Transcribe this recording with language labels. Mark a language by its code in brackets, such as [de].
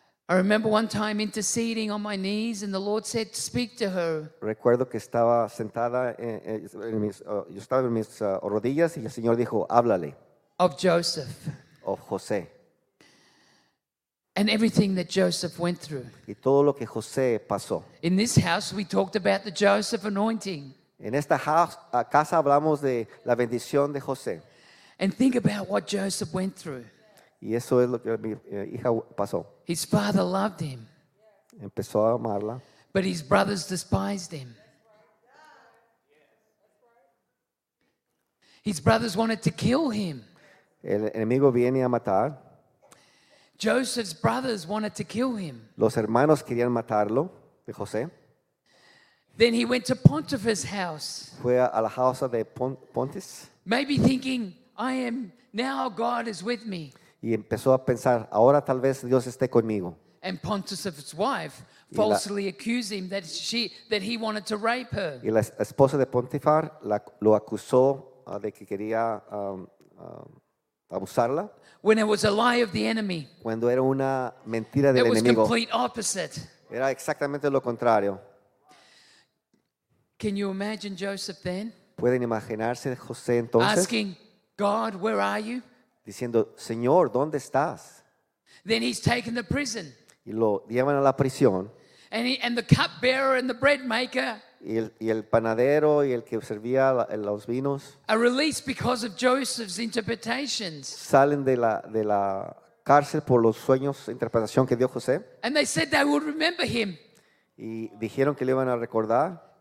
[en] I remember one time interceding on my knees and the Lord said, speak to her. [es] Recuerdo que estaba sentada, yo estaba en mis rodillas y el Señor dijo, háblale. [en] Of Joseph. Of José. And everything that Joseph went through. [es] Y todo lo que José pasó. [en] In this house we talked about the Joseph anointing. [es] En esta casa hablamos de la bendición de José. [en] And think about what Joseph went through. [es] Y eso es lo que mi hija pasó. [en] His father loved him. [es] Empezó a amarla. [en] But his brothers despised him. His brothers wanted to kill him. [es] El enemigo viene a matar. [en] Joseph's brothers wanted to kill him. [es] Los hermanos querían matarlo, de José. [en] Then he went to Potiphar's house. [es] Fue a la casa de Pontes. [en] Maybe thinking, I am now God is with me. [es] Y empezó a pensar, ahora tal vez Dios esté conmigo. [en] And Pontius's wife falsely accused him that she that he wanted to rape her. [es] Y la esposa de Potifar lo acusó de que quería abusarla. [en] When it was a lie of the enemy. [es] Cuando era una mentira del enemigo. [en] It was complete opposite. [es] Era exactamente lo contrario. [en] Can you imagine Joseph then? [es] ¿Pueden imaginarse José entonces? [en] Asking God, where are you? [es] Diciendo, Señor, ¿dónde estás? [en] Then he's taken to prison. [es] Y lo llevan a la prisión. [en] And he, and the cupbearer and the bread maker. [es] Y el panadero y el que servía los vinos. [en] Are released because of Joseph's interpretations. [es] Salen de la cárcel por los sueños interpretación que dio José. [en] And they said they would remember him. [es] Y dijeron que le iban a recordar.